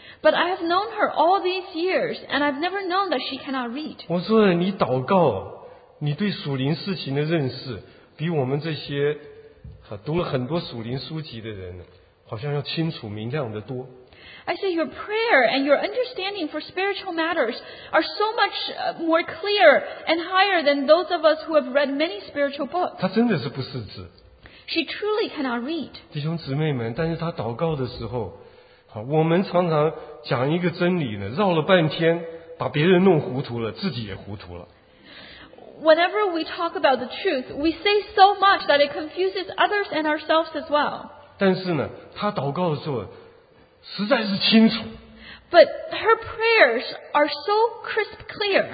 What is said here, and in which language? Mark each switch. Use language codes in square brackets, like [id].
[en] But I have known her all these years, and I've never known that she cannot read. [zh] 我说你祷告, 你对属灵事情的认识, 比我们这些, 读了很多属灵书籍的人, 好像要清楚明亮的多。 [en] I say your prayer and your understanding for spiritual matters are so much more clear and higher than those of us who have read many spiritual books. [zh] 她真的是不识字。 [en] She truly cannot read. [zh] 弟兄姊妹们, 但是她祷告的时候, 我们常常讲一个真理呢, 绕了半天, 把别人弄糊涂了, 自己也糊涂了。 [en] Whenever we talk about the truth, we say so much that it confuses others and ourselves as well. [zh] 但是呢, 她祷告的时候, 实在是清楚, [en] but her prayers are so crisp clear.